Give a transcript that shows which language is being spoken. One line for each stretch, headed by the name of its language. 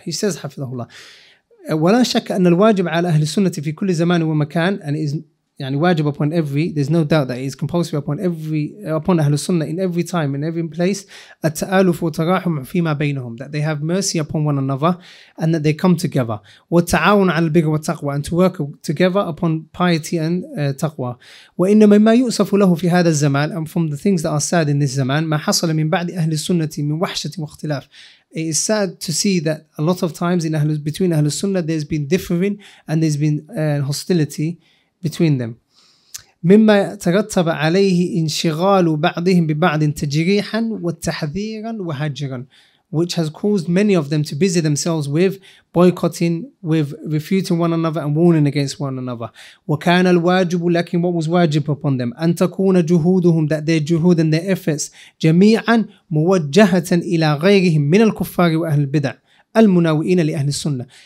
English: He says, hafizahullah,
Arabic: وَلَا شَكَّ أَنَّ الْوَاجِبَ عَلَى أَهْلِ السُّنَّةِ فِي كُلِّ زَمَانٍ وَمَكَانٍ
English: and is
Arabic: يعني واجب
English: upon every, there's no doubt that it is compulsory upon أهل السنة in every time, in every place,
Arabic: التآلف وتراحم فيما بينهم,
English: that they have mercy upon one another and that they come together.
Arabic: والتعاون على البر والتقوى,
English: and to work together upon piety and تقوى.
Arabic: وإنما ما يؤسف له في هذا الزمان,
English: and from the things that are sad in this
Arabic: زمان, ما حصل من بعد أهل السنة من وحشة واختلاف.
English: It is sad to see that a lot of times between Ahlus Sunnah there's been differing and there's been hostility between them.
Arabic: مما ترتب عليه انشغال بعضهم ببعض تجريحا والتحذيرا وهجرا,
English: which has caused many of them to busy themselves with boycotting, with refuting one another and warning against one another.
Arabic: وكان الواجب, لكن
English: what was wajib upon them,
Arabic: أن تكون جهودهم,
English: that their juhud and their efforts
Arabic: جميعا موجهة إلى غيرهم من الكفار وأهل البدع المناوئين لأهل السنة.